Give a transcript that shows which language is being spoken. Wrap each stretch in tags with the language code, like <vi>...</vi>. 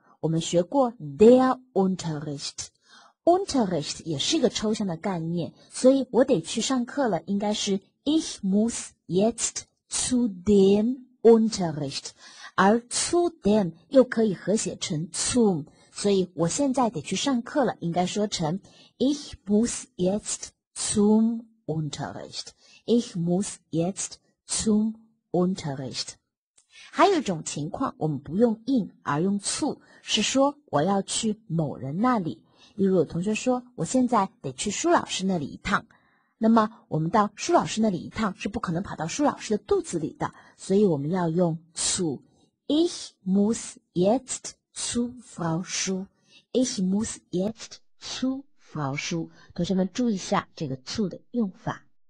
<zh>我们学过 der Unterricht。Unterricht 也是一个抽象的概念，所以我得去上课了应该是</zh> <de>Ich muss jetzt zu dem Unterricht。</de> <zh>而 zu dem 又可以和谐成 zum，所以我现在得去上课了应该说成</zh> <de>Ich muss jetzt zum Unterricht. Ich muss jetzt zum Unterricht.</de> <zh>还有一种情况我们不用 in 而用 zu， 是说我要去某人那里。例如有同学说我现在得去舒老师那里一趟，那么我们到舒老师那里一趟是不可能跑到舒老师的肚子里的，所以我们要用 zu。</zh> <de>Ich muss jetztzu Frau Schu. Ich muss jetzt zu Frau Schu.</de> <zh>同学们注意一下这个 zu 的用法。</zh>